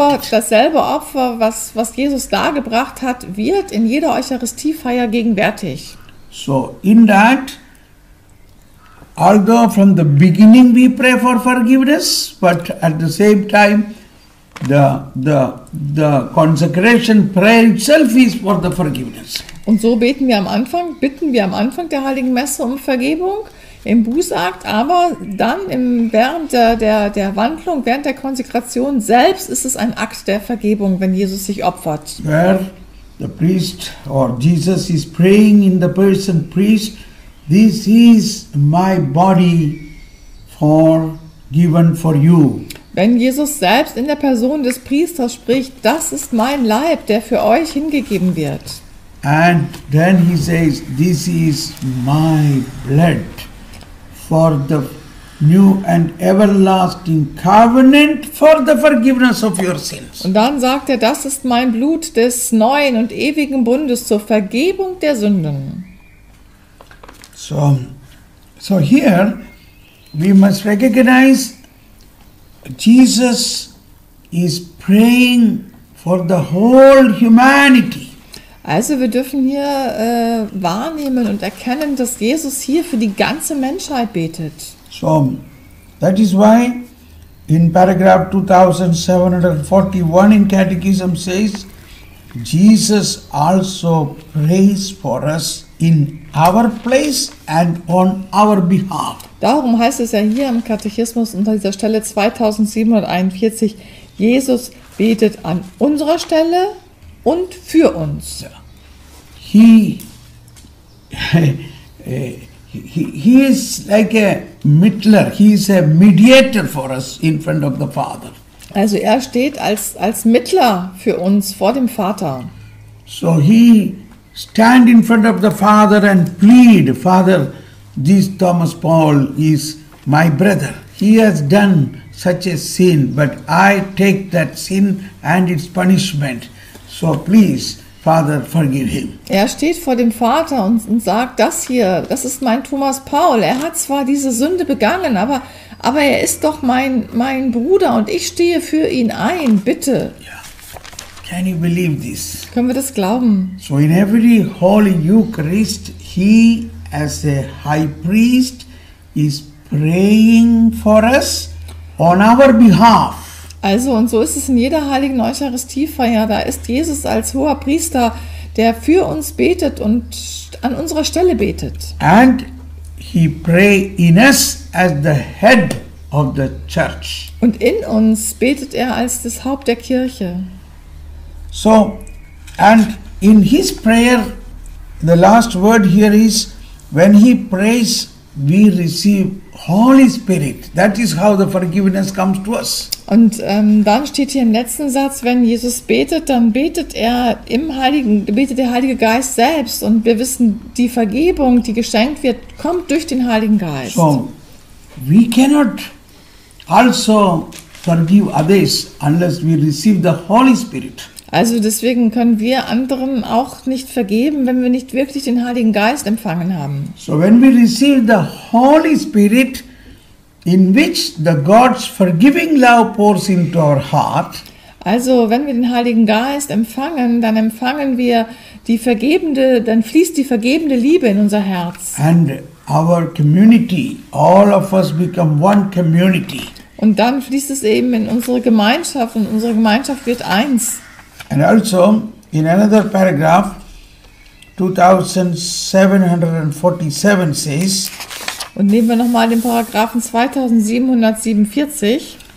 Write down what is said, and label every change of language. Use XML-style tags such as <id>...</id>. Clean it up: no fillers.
<de>Dasselbe Opfer, was Jesus dargebracht hat, wird in jeder Eucharistiefeier gegenwärtig.</de> <en>So in that, although from the beginning we pray for forgiveness, but at the same time the consecration prayer itself is for the forgiveness.</en> <de>Und so bitten wir am Anfang der Heiligen Messe um Vergebung im Bußakt, aber dann während der Wandlung, während der Konsekration selbst ist es ein Akt der Vergebung, wenn Jesus sich opfert.</de> <en>Where the priest or Jesus is praying in the person priest, this is my body for given for you.</en> <de>Wenn Jesus selbst in der Person des Priesters spricht, das ist mein Leib, der für euch hingegeben wird.</de> <en>And then he says, this is my blood for the new and everlasting covenant for the forgiveness of your sins.</en> <de>Und dann sagt er, das ist mein Blut des neuen und ewigen Bundes zur Vergebung der Sünden.</de> <en>So here we must recognize Jesus is praying for the whole humanity.</en> <de>Also wir dürfen hier wahrnehmen und erkennen, dass Jesus hier für die ganze Menschheit betet.</de> <en>So, that is why in paragraph 2741 in Catechism says, Jesus also prays for us in our place and on our behalf.</en> <de>Darum heißt es ja hier im Katechismus unter dieser Stelle 2741, Jesus betet an unserer Stelle und für uns.</de> <en>He is like a mittler, he is a mediator for us in front of the Father.</en> <de>Also er steht als Mittler für uns vor dem Vater.</de> <en>So he stand in front of the Father and plead, Father, this Thomas Paul is my brother. He has done such a sin, but I take that sin and its punishment. So please, Father, forgive him.</en> <de>Er steht vor dem Vater und sagt, das hier, das ist mein Thomas Paul. Er hat zwar diese Sünde begangen, aber er ist doch mein Bruder und ich stehe für ihn ein, bitte.</de> <en>Yeah. Can you believe this?</en> <de>Können wir das glauben?</de> <en>So in every Holy Eucharist, he as a high priest is praying for us on our behalf.</en> <de>Also und so ist es in jeder heiligen Eucharistiefeier, da ist Jesus als hoher Priester, der für uns betet und an unserer Stelle betet.</de> <en>And he pray in us as the head of the church.</en> <de>Und in uns betet er als das Haupt der Kirche.</de> <en>So and in his prayer the last word here is when he prays we receive Holy Spirit. That is how the forgiveness comes to us.</en> <de>Und dann steht hier im letzten Satz, wenn Jesus betet, dann betet der Heilige Geist selbst und wir wissen, die Vergebung, die geschenkt wird, kommt durch den Heiligen Geist.</de> <en>So, we cannot also forgive others unless we receive the Holy Spirit.</en> <de>Also deswegen können wir anderen auch nicht vergeben, wenn wir nicht wirklich den Heiligen Geist empfangen haben.</de> <en>So when we receive the Holy Spirit, in which the God's forgiving love pours into our heart.</en> <de>Also wenn wir den Heiligen Geist empfangen, dann empfangen wir die vergebende, dann fließt die vergebende Liebe in unser Herz.</de> <en>And our community, all of us become one community.</en> <de>Und dann fließt es eben in unsere Gemeinschaft und unsere Gemeinschaft wird eins.</de> <en>And also in another paragraph, 2747 says.</en> <de>Und nehmen wir nochmal den Paragraphen 2747.</de>